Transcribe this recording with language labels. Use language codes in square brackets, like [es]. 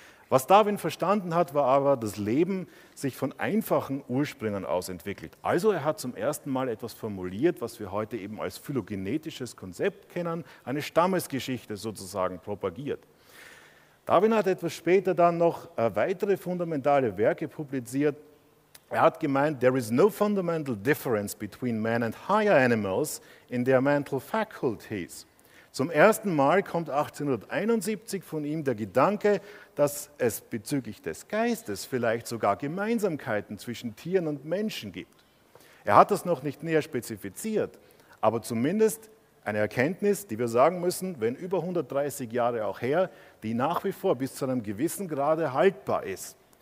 [de] Was Darwin verstanden hat, war aber, dass Leben sich von einfachen Ursprüngen aus entwickelt. Also er hat zum ersten Mal etwas formuliert, was wir heute eben als phylogenetisches Konzept kennen, eine Stammesgeschichte sozusagen propagiert. Darwin hat etwas später dann noch weitere fundamentale Werke publiziert. Er hat gemeint, [en] there is no fundamental difference between man and higher animals in their mental faculties. [de] Zum ersten Mal kommt 1871 von ihm der Gedanke, dass es bezüglich des Geistes vielleicht sogar Gemeinsamkeiten zwischen Tieren und Menschen gibt. Er hat das noch nicht näher spezifiziert, aber zumindest eine Erkenntnis, die wir sagen müssen, wenn über 130 Jahre auch her, die nach wie vor bis zu einem gewissen Grade haltbar ist.